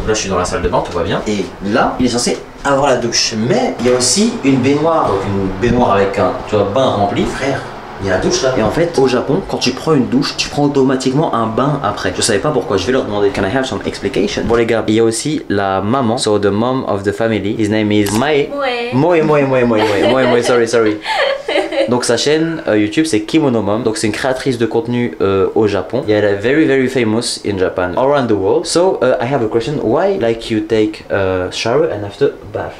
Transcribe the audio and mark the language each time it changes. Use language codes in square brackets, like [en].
[fr] Là, je suis dans la salle de bain, tout va bien. Et là, il est censé avoir la douche. Mais il y a aussi une baignoire. Donc, une baignoire avec un bain rempli. Frère, il y a la douche là. Et en fait, au Japon, quand tu prends une douche, tu prends automatiquement un bain après. Je savais pas pourquoi, je vais leur demander. [en] Can I have some explication? [fr] Bon les gars, il y a aussi la maman. [en] So the mom of the family, his name is Mae. Moe, sorry. [fr] Donc sa chaîne YouTube c'est Kimono Mom. Donc c'est une créatrice de contenu au Japon. Et elle est [en] very very famous in Japan, around the world. So I have a question. Why like you take a shower and after bath?